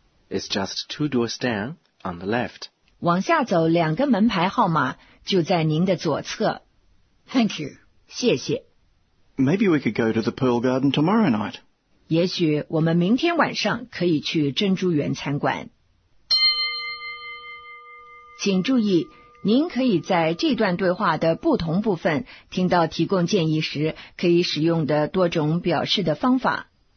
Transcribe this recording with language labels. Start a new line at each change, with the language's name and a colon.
English: It's just two doors down on the left.
Chinese: 往下走两个门牌号码就在您的左侧。
English: Thank you.
Chinese: 谢谢。
English: Maybe we could go to the Pearl Garden tomorrow night.
Chinese: 也许我们明天晚上可以去珍珠园餐馆。请注意，您可以在这段对话的不同部分听到提供建议时可以使用的多种表示的方法。